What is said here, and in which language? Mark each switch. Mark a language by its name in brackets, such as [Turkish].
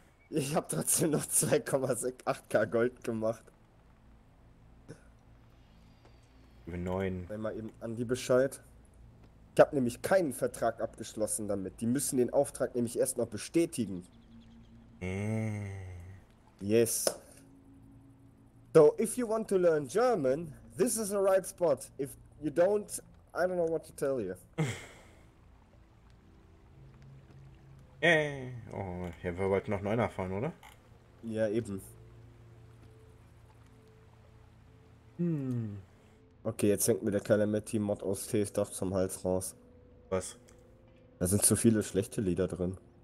[German] Ich hab trotzdem noch 2,68k Gold gemacht. Über 9. Sag mal eben an die Bescheid. Ich hab nämlich keinen Vertrag abgeschlossen damit. Die müssen den Auftrag nämlich erst noch bestätigen. [English] Yes. So, if you want to learn German, this is the right spot. If you don't, I don't know what to tell you. [German] Oh, ja, wir wollten noch 9er fahren, oder? Ja, eben. Okay, jetzt hängt mir der Calamity Mod aus T-Stuff zum Hals raus. Was? Da sind zu viele schlechte Lieder drin.